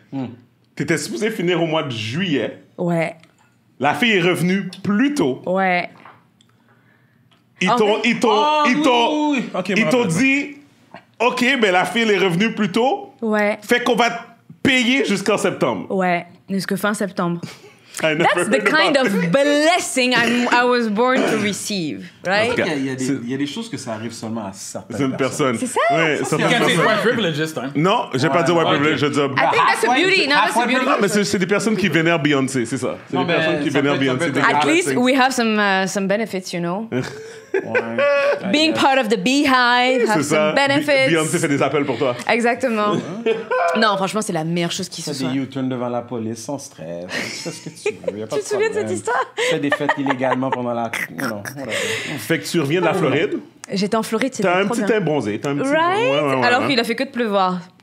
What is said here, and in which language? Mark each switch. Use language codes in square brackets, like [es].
[fr] Mm. T'étais supposé finir au mois de juillet. Ouais. La fille est revenue plus tôt. Ouais. Ils t'ont dit, OK, ben la fille est revenue plus tôt. Ouais. Fait qu'on va payer jusqu'en septembre. Ouais. Jusque fin septembre. [en] That's the kind of blessing I was born to receive, right? [fr] Il y a des choses que ça arrive seulement à certaines personnes. C'est ça? Oui, certaines white privileges, hein? Non, je n'ai pas dit white privilege, je dis... [en] I think that's a beauty, not that's a beauty. [fr] Non, mais c'est des personnes qui vénèrent Beyoncé, c'est ça. C'est des personnes qui vénèrent Beyoncé. [en] At least we have some benefits, you know? Being part of the beehive has some benefits. [fr] Beyoncé fait des appels pour toi. Exactement. Non, franchement, c'est la meilleure chose qui se fait. Fais des U-turns devant la police sans stress. Fais ce que tu veux. Tu te souviens de cette histoire? Fais des fêtes illégalement pendant la. Non. Fait que tu reviens de la Floride. J'étais en Floride, c'était trop bien. T'as un petit teint bronzé. Right? Alors qu'il a fait que de pleuvoir.